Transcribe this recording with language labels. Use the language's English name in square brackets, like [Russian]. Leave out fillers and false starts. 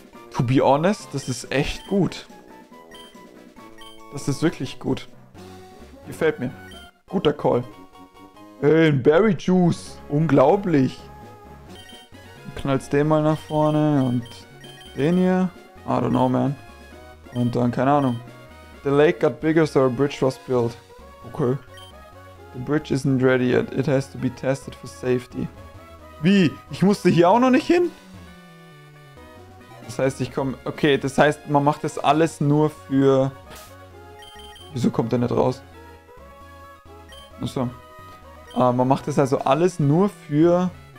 [English] To be honest, [German] das ist echt gut. Das ist wirklich gut. Gefällt mir. Guter Call. Ein Berry Juice. Unglaublich. Knallst den mal nach vorne und den hier. [English] I don't know, man. [German] Und dann, keine Ahnung. [English] The lake got bigger, so a bridge was built. Okay. The bridge isn't ready yet. It has to be tested for safety. [German] Wie? Ich musste hier auch noch nicht hin? Das heißt, ich komme... Okay, das heißt, man macht das alles nur für... Wieso kommt der nicht raus? Achso. Man macht das also alles nur für...